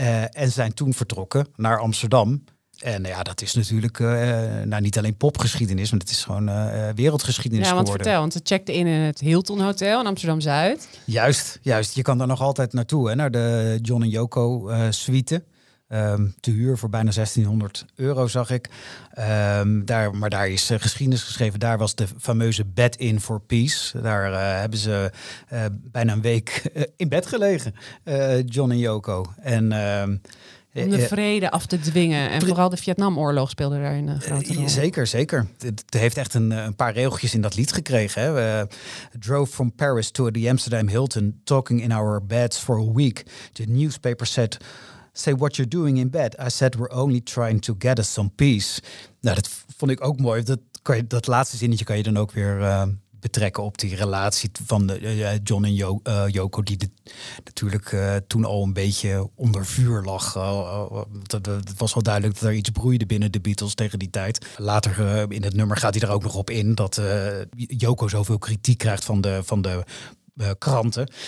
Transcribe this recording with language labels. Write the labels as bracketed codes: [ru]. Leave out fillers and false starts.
[nl] En zijn toen vertrokken naar Amsterdam. En ja, dat is natuurlijk niet alleen popgeschiedenis, maar het is gewoon wereldgeschiedenis geworden. Ja, want vertel, want ze checkte in het Hilton Hotel in Amsterdam-Zuid. Juist. Je kan daar nog altijd naartoe, hè, naar de John en Yoko suite. Te huur voor bijna €1600, zag ik. Daar is geschiedenis geschreven. Daar was de fameuze Bed in for Peace. Daar hebben ze bijna een week in bed gelegen, John en Yoko. En om de vrede af te dwingen. En vooral de Vietnamoorlog speelde daar een grote rol. Zeker. Het heeft echt een paar regeltjes in dat lied gekregen. Hè? [en] Drove from Paris to the Amsterdam Hilton, talking in our beds for a week. The newspaper said, say what you're doing in bed. I said, we're only trying to get us some peace. [nl] Nou, dat vond ik ook mooi. Dat laatste zinnetje kan je dan ook weer betrekken op die relatie van John en Yoko, die natuurlijk toen al een beetje onder vuur lag. Het was wel duidelijk dat er iets broeide binnen de Beatles tegen die tijd. Later in het nummer gaat hij er ook nog op in dat Yoko zoveel kritiek krijgt van de kranten.